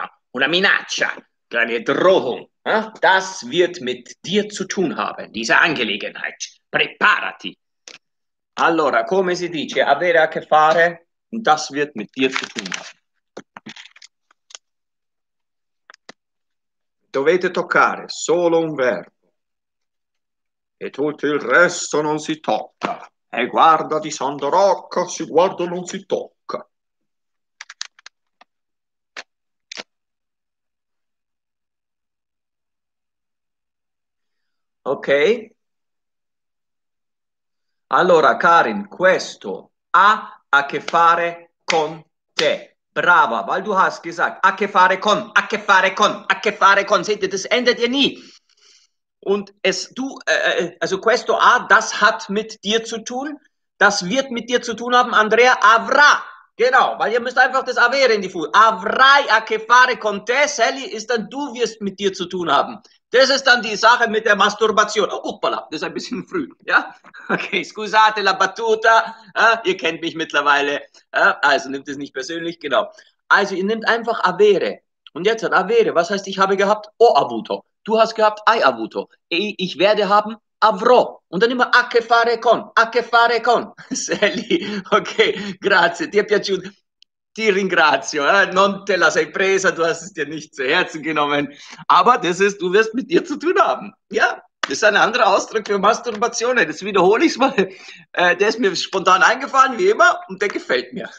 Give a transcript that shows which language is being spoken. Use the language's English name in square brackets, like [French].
[Italian] Una minaccia, [German] eine Drohung. Das wird mit dir zu tun haben, diese Angelegenheit. [Italian] Preparati. Allora, come si dice avere a che fare? [German] Das wird mit dir zu tun haben. [Italian] Dovete toccare solo un verbo. E tutto il resto non si tocca. E guarda di Sandro Rocco, si guarda non si tocca. Ok, allora Karin, questo ha a che fare con te. Brava, [German] weil du hast gesagt, [Italian] a che fare con, a che fare con, a che fare con. [German] Seht ihr, das endet ja nie. Und es, du, also [Italian] questo ha, [German] das hat mit dir zu tun, das wird mit dir zu tun haben, Andrea, [Italian] avrà. [German] Genau, weil ihr müsst einfach das avere in die Fuß. [Italian] Avrai a che fare con te, [German] Sally, ist dann du wirst mit dir zu tun haben. Das ist dann die Sache mit der Masturbation. Oh, uppala, das ist ein bisschen früh, ja? Okay, [Italian] scusate la battuta, [German] ihr kennt mich mittlerweile, also nehmt es nicht persönlich, genau. Also ihr nehmt einfach [Italian] avere. [German] Und jetzt hat avere, was heißt ich habe gehabt? [Italian] O avuto. [German] Du hast gehabt, [Italian] ai avuto. [German] Ich werde haben, [Italian] avrò. [German] Und dann immer [Italian] a che fare con, a che fare con. [German] Sally, okay, [Italian] grazie, ti è piaciuto. Ti ringrazio, non te la sei presa, [German] du hast es dir nicht zu Herzen genommen. Aber das ist, du wirst mit dir zu tun haben. Ja, das ist ein anderer Ausdruck für Masturbation. Das wiederhole ich mal. Der ist mir spontan eingefallen, wie immer, und der gefällt mir.